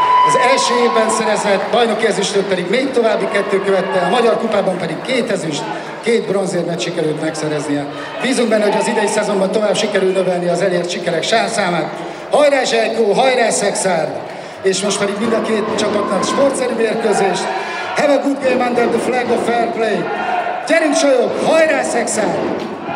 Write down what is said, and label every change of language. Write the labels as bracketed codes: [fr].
[hu] Az első évben szerezett bajnoki ezüstöt pedig még további 2 követte, a Magyar Kupában pedig 2 ezüst, 2 bronzérmet sikerült megszereznie. Bízunk benne, hogy az idei szezonban tovább sikerül növelni az elért sikerek számát. Hajrá Zsejkó, hajrá Szekszárd! És most pedig mind a 2 csapatnak sportszerű mérkőzést. [en] Have a good game under the flag of fair play! [hu] Gyerünk sajok, hajrá Szekszárd!